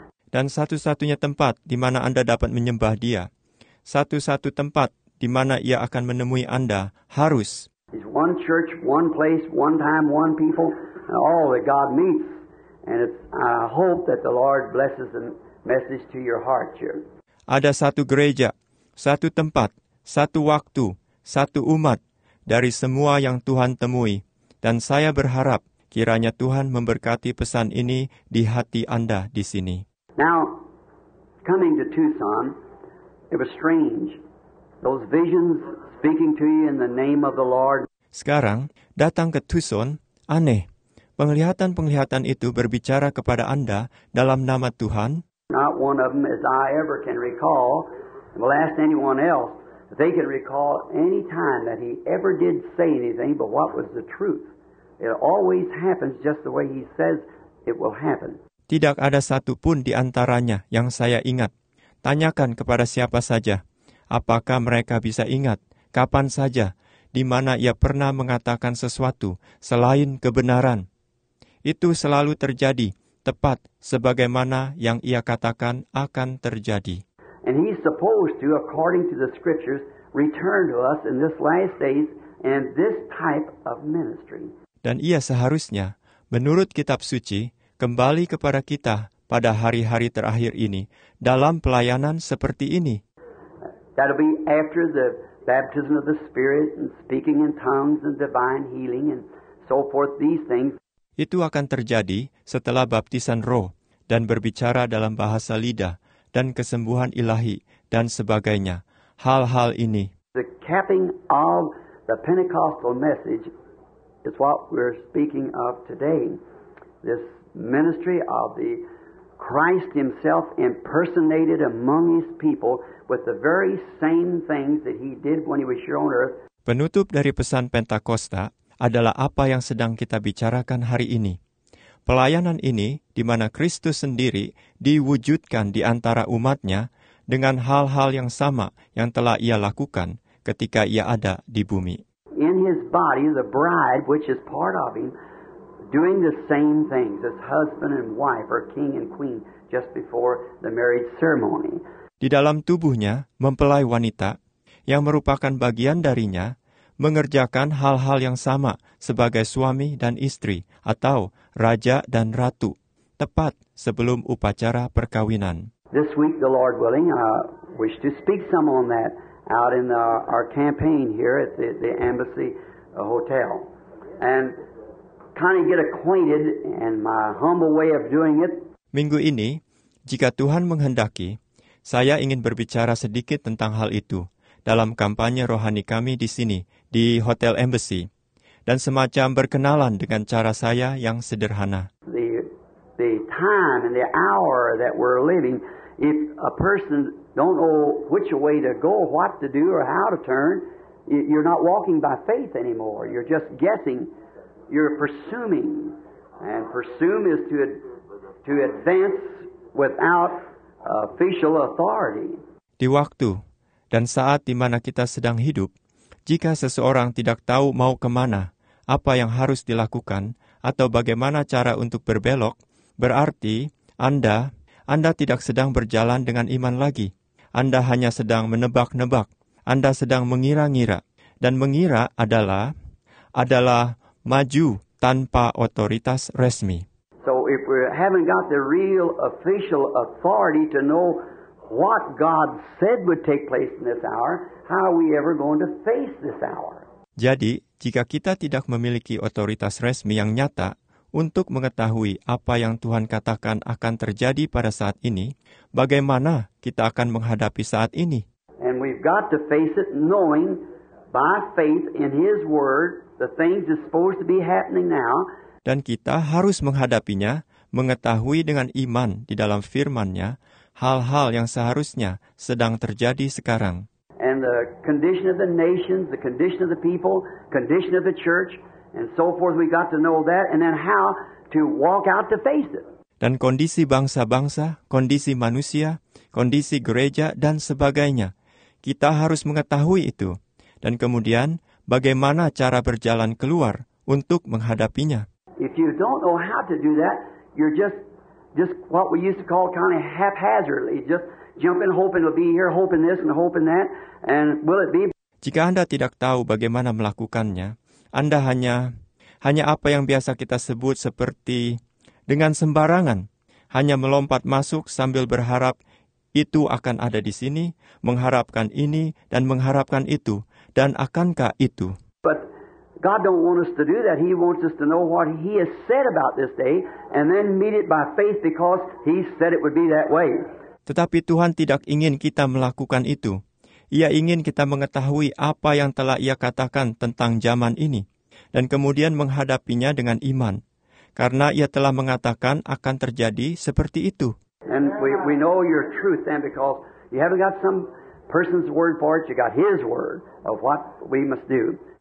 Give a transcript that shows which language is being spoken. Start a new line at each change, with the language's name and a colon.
Indonesian: Dan satu-satunya tempat di mana Anda dapat menyembah Dia, satu-satu tempat di mana ia akan menemui Anda harus.
English: It's one church, one place, one time, one people, and all that God meets. And it's, I hope that the Lord blesses the message to your heart here.
Indonesian: Ada satu gereja, satu tempat, satu waktu, satu umat dari semua yang Tuhan temui. Dan saya berharap kiranya Tuhan memberkati pesan ini di hati Anda di sini.
English: Now, coming to Tucson, it was strange. Those visions speaking to you in the name of the Lord.
Indonesian: Sekarang, datang ke Tucson, aneh. Penglihatan-penglihatan itu berbicara kepada Anda dalam nama Tuhan.
English: Not one of them, as I ever can recall, will ask anyone else. They can recall any time that he ever did say anything, but what was the truth? It always happens just the way he says it will happen.
Indonesian: Tidak ada satu pun di antaranya yang saya ingat. Tanyakan kepada siapa saja, apakah mereka bisa ingat kapan saja di mana ia pernah mengatakan sesuatu selain kebenaran. Itu selalu terjadi tepat sebagaimana yang ia katakan akan terjadi.
English: And he's supposed to, according to the scriptures, return to us in this last days and this type of ministry.
Indonesian: Dan ia seharusnya, menurut kitab suci, kembali kepada kita pada hari-hari terakhir ini dalam pelayanan seperti ini.
English: That'll be after the baptism of the Spirit and speaking in tongues and divine healing and so forth, these things.
Indonesian: Itu akan terjadi setelah baptisan roh dan berbicara dalam bahasa lidah dan kesembuhan ilahi dan sebagainya. Hal-hal ini.
English: The capping of the Pentecostal message is what we're speaking of today. This ministry of the Christ himself impersonated among his people with the very same things that he did when he was here on earth.
Indonesian: Penutup dari pesan Pentakosta adalah apa yang sedang kita bicarakan hari ini. Pelayanan ini di mana Kristus sendiri diwujudkan di antara umatnya dengan hal-hal yang sama yang telah ia lakukan ketika ia ada di bumi.
English: In his body, the bride, which is part of him, doing the same things as husband and wife or king and queen just before the marriage ceremony.
Indonesian: Di dalam tubuhnya, mempelai wanita, yang merupakan bagian darinya, mengerjakan hal-hal yang sama sebagai suami dan istri atau raja dan ratu, tepat sebelum upacara perkawinan.
English: This week, the Lord willing, I wish to speak some on that out in our campaign here at the Embassy Hotel. And kind of get acquainted in my humble way of doing it.
Indonesian: Minggu ini, jika Tuhan menghendaki, saya ingin berbicara sedikit tentang hal itu dalam kampanye rohani kami di sini, di Hotel Embassy, dan semacam berkenalan dengan cara saya yang sederhana.
English: The time and the hour that we're living, if a person don't know which way to go, what to do, or how to turn, you're not walking by faith anymore. You're just guessing. You're presuming. And presume is to advance without official authority.
Indonesian: Di waktu dan saat di mana kita sedang hidup, jika seseorang tidak tahu mau kemana, apa yang harus dilakukan, atau bagaimana cara untuk berbelok, berarti Anda tidak sedang berjalan dengan iman lagi. Anda hanya sedang menebak-nebak. Anda sedang mengira-ngira. Dan mengira adalah maju tanpa otoritas resmi.
English: So if we haven't got the real official authority to know what God said would take place in this hour, how are we ever going to face this hour?
Indonesian: Jadi, jika kita tidak memiliki otoritas resmi yang nyata untuk mengetahui apa yang Tuhan katakan akan terjadi pada saat ini, bagaimana kita akan menghadapi saat ini?
English: And we've got to face it knowing by faith in His Word the things that's supposed to be happening now.
Indonesian: Dan kita harus menghadapinya, mengetahui dengan iman di dalam firman-Nya, hal-hal yang seharusnya sedang terjadi sekarang.
English: And the condition of the nations, the condition of the people, condition of the church, and so forth, we got to know that, and then how to walk out to face it.
Indonesian: Dan kondisi bangsa-bangsa, kondisi manusia, kondisi gereja, dan sebagainya. Kita harus mengetahui itu. Dan kemudian, bagaimana cara berjalan keluar untuk menghadapinya.
English: If you don't know how to do that, you're just what we used to call kind of haphazardly, just jumping, hoping to be here, hoping this and hoping that, and will it be?
Indonesian: Jika Anda tidak tahu bagaimana melakukannya, Anda hanya apa yang biasa kita sebut seperti dengan sembarangan, hanya melompat masuk sambil berharap itu akan ada di sini, mengharapkan ini dan mengharapkan itu, dan akankah itu?
English: But God don't want us to do that. He wants us to know what He has said about this day, and then meet it by faith because He said it would be that way.
Indonesian: Tetapi Tuhan tidak ingin kita melakukan itu. Ia ingin kita mengetahui apa yang telah Ia katakan tentang zaman ini, dan kemudian menghadapinya dengan iman, karena Ia telah mengatakan akan terjadi seperti itu.
English: And we know your truth then because you haven't got some person's word for it, you got His word of what we must do.